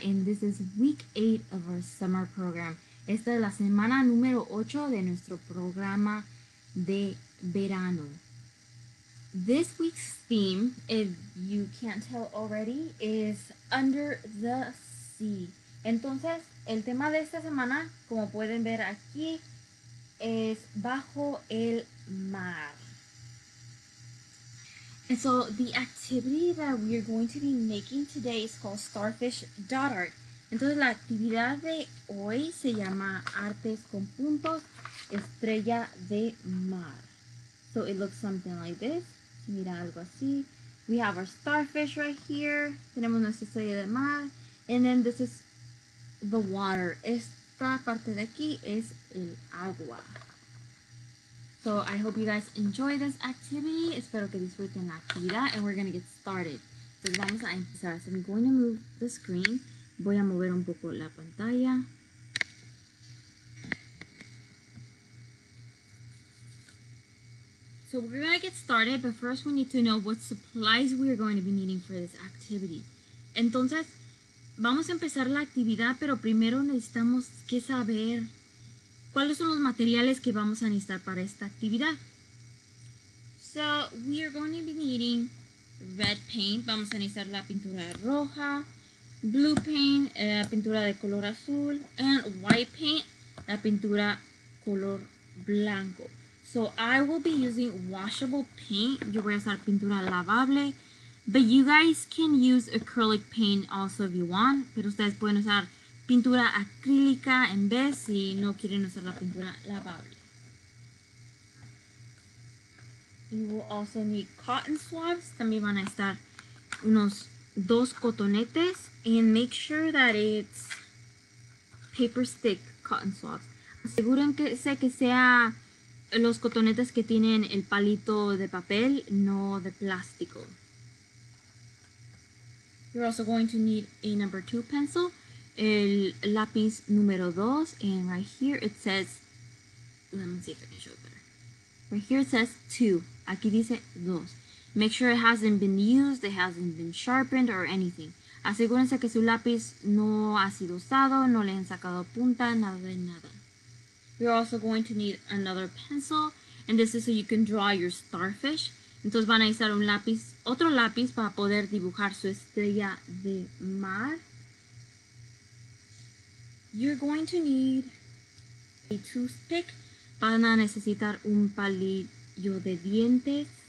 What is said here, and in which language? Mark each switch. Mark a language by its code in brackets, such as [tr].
[en] And this is week 8 of our summer program. [es] Esta es la semana número 8 de nuestro programa de verano. [en] This week's theme, if you can't tell already, is Under the Sea. [es] Entonces, el tema de esta semana, como pueden ver aquí, es bajo el mar. [en] And so, the activity that we are going to be making today is called Starfish.art. [es] Entonces, la actividad de hoy se llama Artes con Puntos, Estrella de Mar. [en] So, it looks something like this. [es] Mira algo así. [en] We have our starfish right here. [es] Tenemos nuestra estrella de mar. [en] And then this is the water. [es] Esta parte de aquí es el agua. [en] So I hope you guys enjoy this activity. [es] Espero que disfruten la actividad. [en] And we're going to get started. So [es] vamos a empezar. [en] So I'm going to move the screen. [es] Voy a mover un poco la pantalla. [en] So we're going to get started, but first we need to know what supplies we are going to be needing for this activity. [es] Entonces, vamos a empezar la actividad, pero primero necesitamos que saber cuáles son los materiales que vamos a necesitar para esta actividad. [en] So we are going to be needing red paint. [es] Vamos a necesitar la pintura roja, [en] blue paint, [es] pintura de color azul, [en] and white paint, [es] la pintura color blanco. [en] So I will be using washable paint. [es] Yo voy a usar pintura lavable. [en] But you guys can use acrylic paint also if you want. [es] Pero ustedes pueden usar pintura acrílica en vez si no quieren usar la pintura lavable. [en] You will also need cotton swabs. [es] También van a estar unos dos cotonetes. [en] And make sure that it's paper stick cotton swabs. [es] Asegúrense que sea los cotonetes que tienen el palito de papel, no de plástico. [en] You're also going to need a number 2 pencil, [es] el lápiz número 2, [en] and right here it says, let me see if I can show it better. Right here it says 2, [es] aquí dice 2. [en] Make sure it hasn't been used, it hasn't been sharpened or anything. [es] Asegúrense que su lápiz no ha sido usado, no le han sacado punta, nada de nada. [en] You're also going to need another pencil, and this is so you can draw your starfish. [es] Entonces van a usar un lápiz, otro lápiz, para poder dibujar su estrella de mar. [en] You're going to need a toothpick. [es] Van a necesitar un palillo de dientes.